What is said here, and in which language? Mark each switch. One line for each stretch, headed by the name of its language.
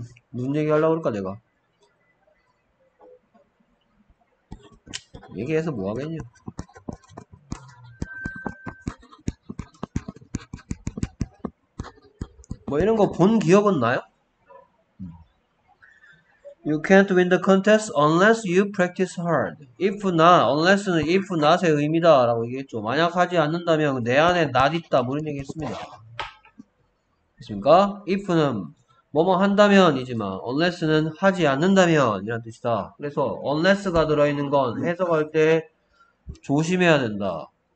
Korean: 무슨 얘기 하려고 그럴까, 내가? 얘기해서 뭐 하겠냐. 뭐, 이런 거본 기억은 나요?
English: You can't win the contest unless you practice hard.
Korean: If not, unless는 if not의 의미다라고 얘기했죠. 만약 하지 않는다면 내 안에 not 있다. 뭐 이런 얘기 했습니다. 됐습니까? If는 뭐뭐 한다면이지만, unless는 하지 않는다면 이란 뜻이다. 그래서 unless가 들어있는 건 해석할 때 조심해야 된다.